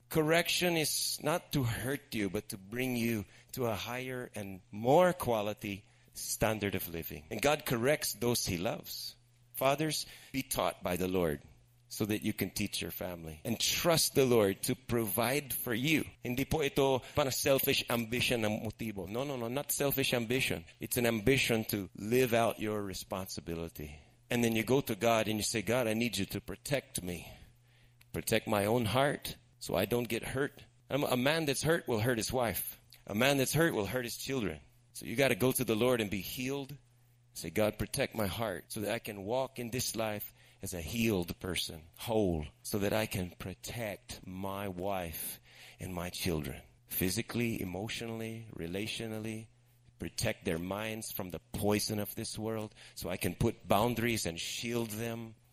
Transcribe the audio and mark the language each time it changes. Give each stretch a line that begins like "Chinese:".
English: Correction is not to hurt you, but to bring you to a higher and more quality standard of living. And God corrects those he loves. Fathers, be taught by the Lord so that you can teach your family. And trust the Lord to provide for you.
Filipino: Hindi po ito para selfish ambition ang motibo.
English: No, not selfish ambition. It's an ambition to live out your responsibility. And then you go to God and you say, God, I need you to protect me. Protect my own heart so I don't get hurt. A man that's hurt will hurt his wife. A man that's hurt will hurt his children. So you got to go to the Lord and be healed. Say, God, protect my heart so that I can walk in this life as a healed person, whole, so that I can protect my wife and my children physically, emotionally, relationally, protect their minds from the poison of this world so I can put boundaries and shield them.